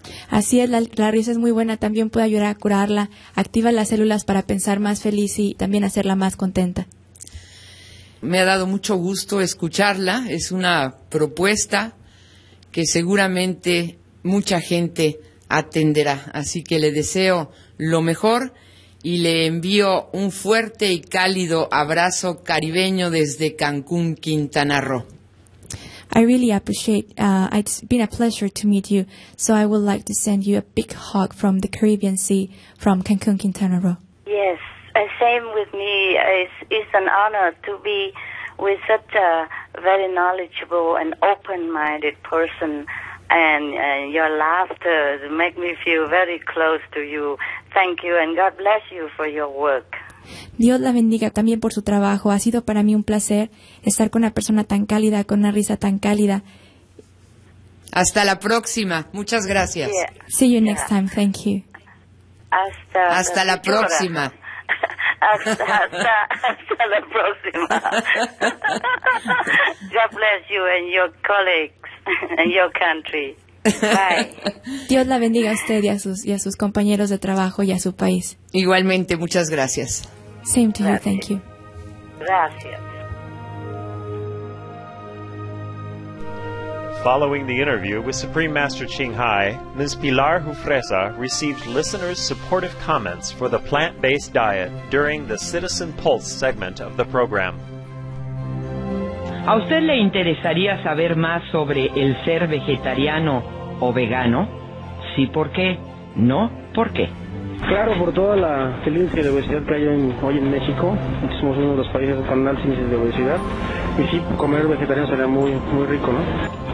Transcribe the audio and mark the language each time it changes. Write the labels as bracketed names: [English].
[Spanish] Así es, la risa es muy buena, también puede ayudar a curarla, activa las células para pensar más feliz y también hacerla más contenta. Me ha dado mucho gusto escucharla. Es una propuesta que seguramente mucha gente atenderá. Así que le deseo lo mejor y le envío un fuerte y cálido abrazo caribeño desde Cancún, Quintana Roo. [English] I really appreciate, it's been a pleasure to meet you, so I would like to send you a big hug from the Caribbean Sea, from Cancún, Quintana Roo. Yes, same with me. It's an honor to be with such a very knowledgeable and open-minded person, and your laughter make me feel very close to you. Thank you, and God bless you for your work. [Spanish] Dios la bendiga también por su trabajo. Ha sido para mí un placer estar con una persona tan cálida, con una risa tan cálida. Hasta la próxima. Muchas gracias. [English] Yeah. See you next time. Thank you. [Spanish] Hasta la próxima. Hasta la próxima. [English] God bless you and your colleagues and your country. Bye. [Spanish] Dios la bendiga a usted y a sus compañeros de trabajo y a su país. Igualmente, muchas gracias. [English] Same to you, thank you. [Spanish] Gracias. [English] Following the interview with Supreme Master Ching Hai, Ms. Pilar Jufresa received listeners' supportive comments for the plant-based diet during the Citizen Pulse segment of the program. [Spanish] ¿A usted le interesaría saber más sobre el ser vegetariano o vegano? Sí, ¿por qué? No, ¿por qué? Claro, por toda la índice de obesidad que hay hoy en México. Somos uno de los países con altos índices de obesidad. Y sí, comer vegetariano sería muy, muy rico, ¿no?